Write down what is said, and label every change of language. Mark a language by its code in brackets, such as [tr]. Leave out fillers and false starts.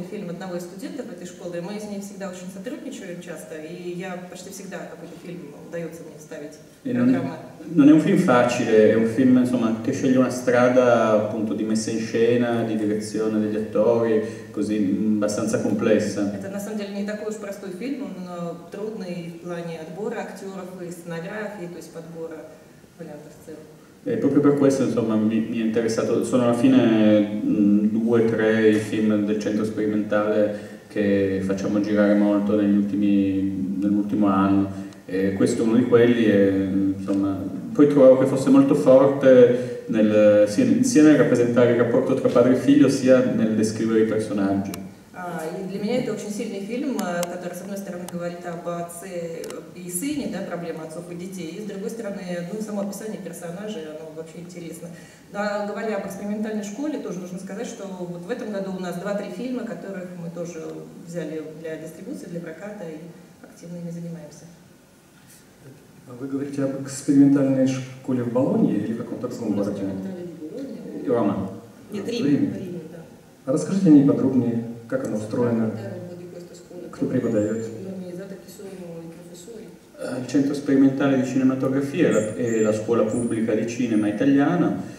[ru] Одного из студентов этой школы, мы с ней всегда очень сотрудничаем часто, и я почти всегда какой-то фильм удается мне вставить в программу. [it] Non è un film facile, è un film, insomma, che sceglie una strada, appunto, di messa in scena, di direzione degli attori, così, abbastanza complessa. [ru] Это на самом деле не такой уж простой фильм, он трудный в плане отбора актеров и сценографии, то есть подбора вариантов сцен. [it] E proprio per questo, insomma, mi è interessato. Sono alla fine due o tre film del Centro Sperimentale che facciamo girare molto nell'ultimo anno. E questo è uno di quelli. E, insomma, poi trovavo che fosse molto forte sia nel rappresentare il rapporto tra padre e figlio, sia nel descrivere i personaggi. [ru] Для меня это очень сильный фильм, который, с одной стороны, говорит об отце и сыне, да, проблема отцов и детей, и, с другой стороны, ну, само описание персонажей, оно вообще интересно. Да, говоря об экспериментальной школе, тоже нужно сказать, что вот в этом году у нас 2-3 фильма, которых мы тоже взяли для дистрибуции, для проката, и активно ими занимаемся. Вы говорите об экспериментальной школе в Болонье или в каком-то другом городе? Экспериментальной в Болонье. Рома. Нет, Рим, да. А расскажите о ней подробнее. Как оно устроено? Кто преподает? [it] Il Centro Sperimentale di Cinematografia è la scuola pubblica di cinema italiana.